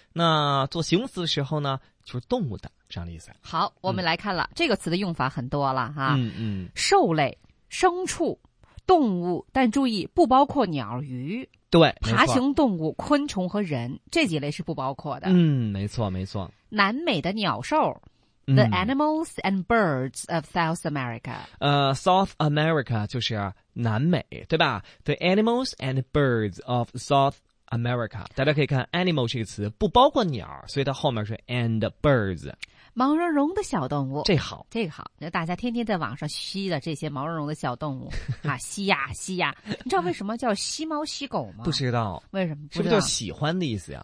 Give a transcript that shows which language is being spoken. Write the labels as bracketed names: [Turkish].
[Chinese] 那做形容词的时候呢，就是动物的这样的意思。好，我们来看了、这个词的用法很多了哈、嗯嗯，兽类、牲畜、动物，但注意不包括鸟鱼。对，爬行动物、昆虫和人这几类是不包括的。嗯，没错没错。南美的鸟兽。 [English] The animals and birds of South America. South America [Chinese] 就是南美，对吧 [English] ？The animals and birds of South America. [Chinese] 大家可以看 animal 这个词不包括鸟，所以它后面是 and birds。毛茸茸的小动物，这好，这个好。那大家天天在网上吸的这些毛茸茸的小动物啊，吸呀吸呀，你知道为什么叫吸猫吸狗吗？不知道，为什么？是不是叫喜欢的意思呀